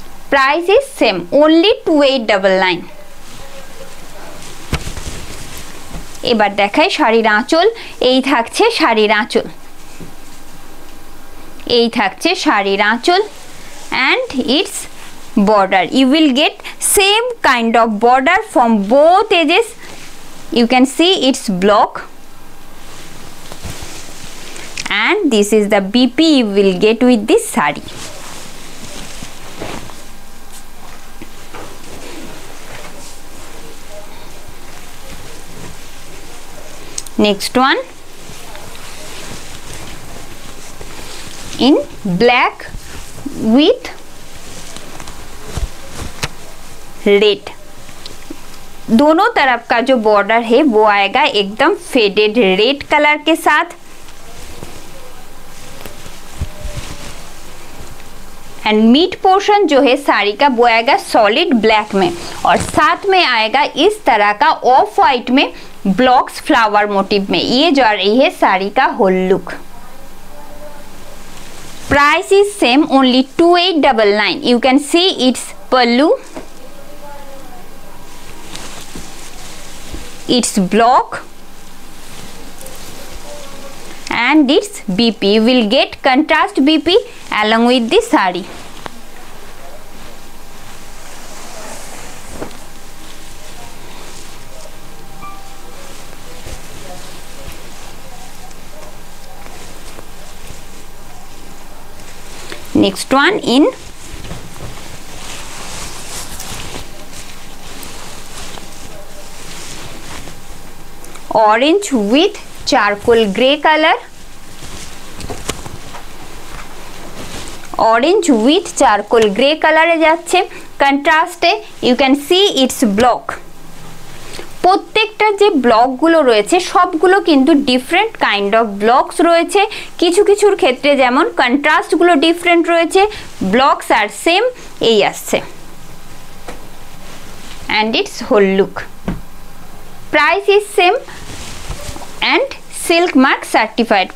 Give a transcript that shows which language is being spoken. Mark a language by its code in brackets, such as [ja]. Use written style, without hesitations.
[en] Price is same, only 2899. [bn] এবার দেখাই শাড়ির আঁচল, এই থাকছে শাড়ির আঁচল, এই থাকছে শাড়ির আঁচল, [en] and its border. You will get same kind of border from both edges. You can see its block, and this is the BP you will get with this saree. Next one in black with red. [hi] दोनों तरफ का जो border है वो आएगा एकदम faded red colour के साथ. एंड मीट पोर्शन जो है साड़ी का वो आएगा सॉलिड ब्लैक में, और साथ में आएगा इस तरह का ऑफ व्हाइट में ब्लॉक्स फ्लावर मोटिव में. ये जो आ रही है साड़ी का whole look. [en] Price is same, only 2899. You can see its pallu, its block and its BP. You will get contrast BP along with this saree. Next one in orange with charcoal grey color. Orange with charcoal grey color is [bn] jacche [en] contrast. You can see its block. [bn] প্রত্যেকটা যে ব্লকগুলো রয়েছে সবগুলো কিন্তু different kind of blocks রয়েছে. কিছু কিছুর ক্ষেত্রে যেমন কন্ট্রাস্টগুলো ডিফারেন্ট রয়েছে, ব্লকস আর সেম এই আসছে. [en] And its whole look. Price is same and silk mark certified.